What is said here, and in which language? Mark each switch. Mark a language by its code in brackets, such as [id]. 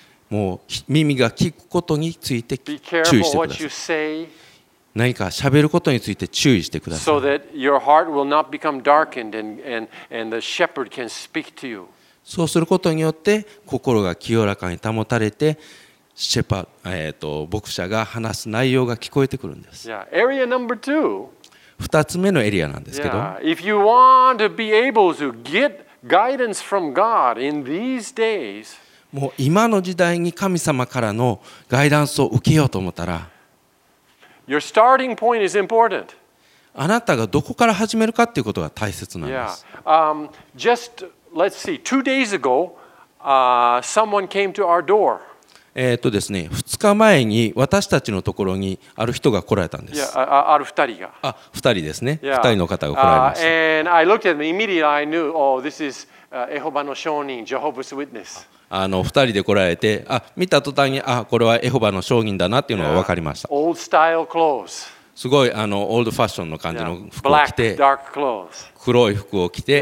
[ja] もう耳が聞くことについて注意してください。何か喋ることについて注意してください。 [en] So that your heart will not become darkened and the shepherd can speak to you. [ja] そうすることによって心が清らかに保たれて、シェパ、牧者が話す内容が聞こえてくるんです。 [en] Yeah. Area number two. [ja] 二つ目のエリアなんですけど。 [en] Yeah. If you want to be able to get guidance from God in these days, [ja] もう今の時代に神様からのガイダンスを受けようと思ったら、 [en] Your starting point is important. [ja] あなたがどこから始めるかっていうことが大切なんです。 [en] Yeah. Just Let's see. Two days ago, someone came to our door. [ja] ですね、2日前に私たちのところにある人が来られたんです。 [en] Yeah, [ja] ある2人が。あ、2人ですね。 [en] Yeah. [ja] 2人の方が来られました。 [en] And I looked at them immediately. I knew, oh, this is Jehovah の証人、Jehovah's Witness. [ja] あの2人で来られて、あ、見た途端に、あ、これはエホバの証人だなっていうのが分かりました。 [en] Yeah. Old style clothes. [ja] すごいあのオールドファッションの感じの服を着て、黒い服を着て、